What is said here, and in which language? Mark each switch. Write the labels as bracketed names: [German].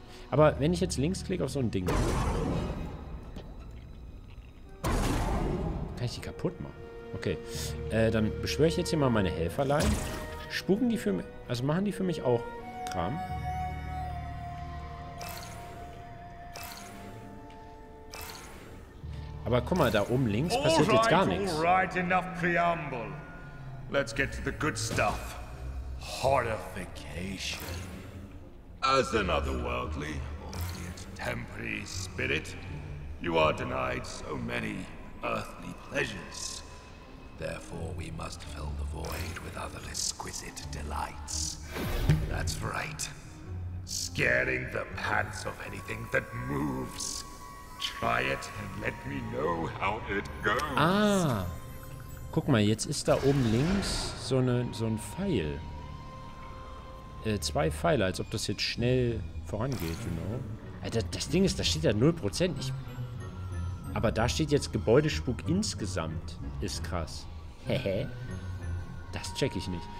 [German] Aber wenn ich jetzt links klicke auf so ein Ding, kann ich die kaputt machen. Okay, dann beschwöre ich jetzt hier mal meine Helferlein. Spuken die für mich, also machen die für mich auch Kram? Aber guck mal, da oben links passiert jetzt gar nichts. [English] All right, enough preamble. Let's get to the good stuff. Horrification. As an otherworldly, albeit temporary spirit, you are denied so many earthly pleasures. Therefore, we must fill the void with other exquisite delights. That's right. Scaring the pants off anything that moves. Try it and let me know how it goes. [German] Ah, guck mal, jetzt ist da oben links so ein Pfeil. zwei Pfeile, als ob das jetzt schnell vorangeht, [English] you know. [German] Alter, das Ding ist, da steht ja 0%. Aber da steht jetzt Gebäudespuk insgesamt. Ist krass. Hehe. Das check ich nicht.